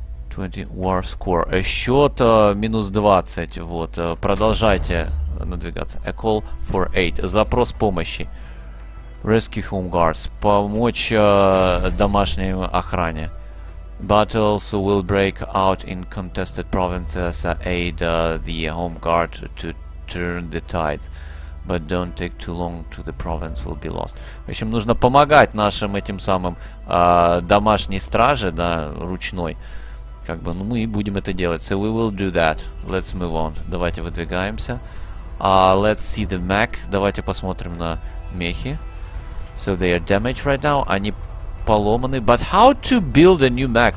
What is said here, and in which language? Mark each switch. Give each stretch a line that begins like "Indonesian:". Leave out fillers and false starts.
English: 20 war score.
Russian: Счет минус 20. Вот. Продолжайте надвигаться.
English: A call for aid.
Russian: Запрос помощи.
English: Rescue home guards.
Russian: Помочь домашней охране.
English: Battles will break out in contested provinces. Aid the home guard to turn the tide, but don't take too long to the province will be lost.
Russian: В общем, нужно помогать нашим этим самым домашней страже, да, ручной. Как бы, ну, мы будем это делать.
English: So we will do that. Let's move on.
Russian: Давайте выдвигаемся.
English: Let's see the mech.
Russian: Давайте посмотрим на мехи.
English: So they are damaged right now.
Russian: Они поломаны.
English: But how to build a new mech?